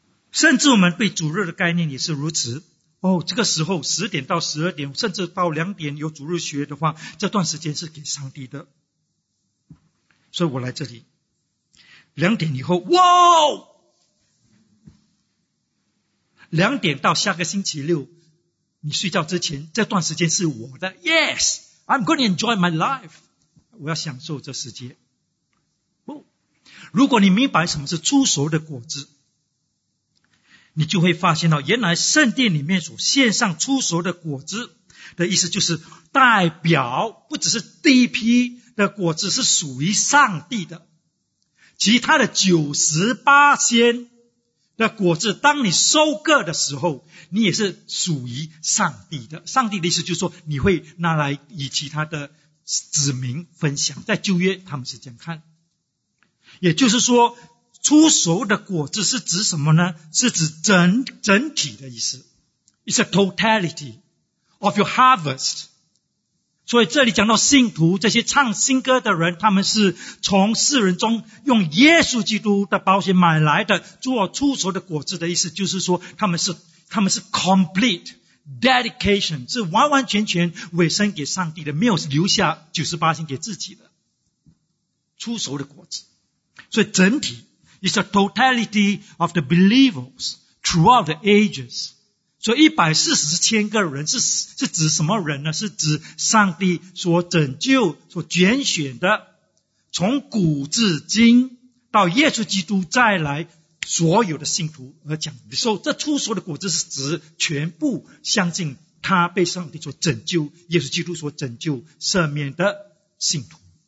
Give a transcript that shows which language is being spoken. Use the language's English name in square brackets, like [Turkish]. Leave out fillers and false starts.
[Chinese] 甚至我们对主日的概念也是如此。哦，这个时候10点到12点甚至到2点有主日学的话，这段时间是给上帝的，所以我来这里2点以后，哇！ 2点到下个星期六，你睡觉之前，这段时间是我的。 [English] Yes, I'm going to enjoy my life. [Chinese] 我要享受这世界。不，如果你明白什么是初熟的果子，你就会发现到，原来圣殿里面所献上初熟的果子的意思，就是代表不只是第一批的果子是属于上帝的。其他的98% 的果子，当你收割的时候，你也是属于上帝的。上帝的意思就是说，你会拿来与其他的子民分享。在旧约他们是这样看。也就是说，出熟的果子是指什么呢？是指整体的意思。 [English] It's a totality of your harvest. [Chinese] 所以这里讲到信徒，这些唱新歌的人，他们是从世人中用耶稣基督的宝血买来的，做出熟的果子的意思，就是说他们是 [English] complete dedication, [Chinese] 是完完全全委身给上帝的，没有留下98%给自己的。出熟的果子。所以整体 [English] is the totality of the believers throughout the ages. [Chinese] 所以140,000个人 是指什么人呢？是指上帝所拯救所拣选的，从古至今到耶稣基督再来所有的信徒而讲。所以这出熟的果子是指全部相信他被上帝所拯救，耶稣基督所拯救赦免的信徒。